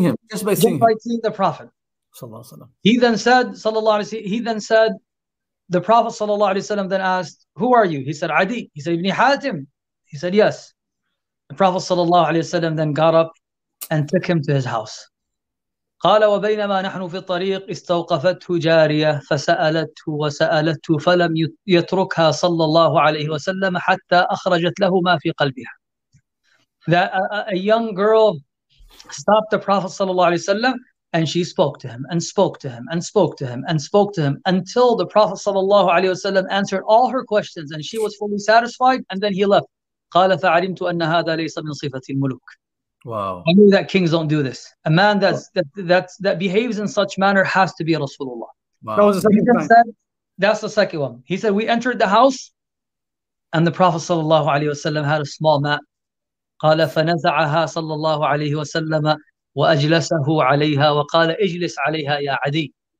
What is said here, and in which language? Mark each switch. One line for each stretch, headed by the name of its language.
English: Just by seeing the prophet. Sallallahu. He then said, sallallahu alaihi wasallam. He then said, the Prophet sallallahu alaihi wasallam then asked, "Who are you?" He said, "Adi." He said, "Ibn Hatim." He said, "Yes." The Prophet sallallahu alaihi wasallam then got up and took him to his house.
Arabic: قال وبينما نحن في الطريق استوقفته جارية فسألته وسألته فلم يتركها صلى الله عليه وسلم حتى أخرجت له ما في قلبها.
English: That a young girl stopped the Prophet صلى الله عليه وسلم and she spoke to him and spoke to him and spoke to him and spoke to him until the Prophet صلى الله عليه وسلم answered all her questions and she was fully satisfied and then he left.
Arabic: قال فعلمت أن هذا ليس من صفة الملوك.
English: Wow. I knew that kings don't do this. A man that behaves in such manner has to be Rasulullah. Wow. That was the second one. That's the second one. He said, we entered the house and the Prophet sallallahu alayhi wa sallam had a small mat.
Arabic: قَالَ فَنَزَعَهَا صَلَّى اللَّهُ عَلَيْهِ وَسَلَّمَ وَأَجْلَسَهُ عَلَيْهَا وَقَالَ اِجْلِسْ عَلَيْهَا يَا عَدِي.